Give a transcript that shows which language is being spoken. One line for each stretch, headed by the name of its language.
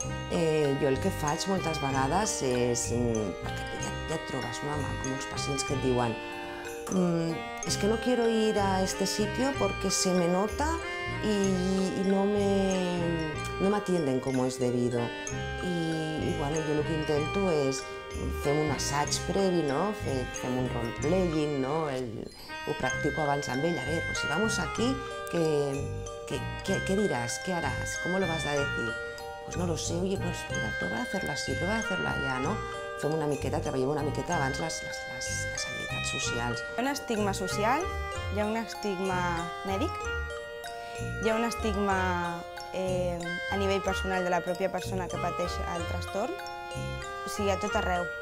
Catalan: Jo el que faig moltes vegades és... perquè ja et trobes, no, amb uns pacients que et diuen
Spanish: es que no quiero ir a este sitio porque se me nota y no me atienden como es debido. Y bueno, yo lo que intento es
Catalan: fer un assaig previ,
Spanish: no?
Catalan: Fem un role-playing, no? Ho practico abans amb ella.
Spanish: A ver, pues si vamos aquí, ¿qué dirás? ¿Qué harás? ¿Cómo lo vas a decir? Pues no lo sé, oye, pues mira, prueba de hacerlo así, prueba de hacerlo allá, no?
Catalan: Fem una miqueta, treballem una miqueta abans les habilitats socials. Hi ha un estigma social, hi ha un estigma mèdic, hi ha un estigma a nivell personal de la pròpia persona que pateix el trastorn, o sigui, a tot arreu.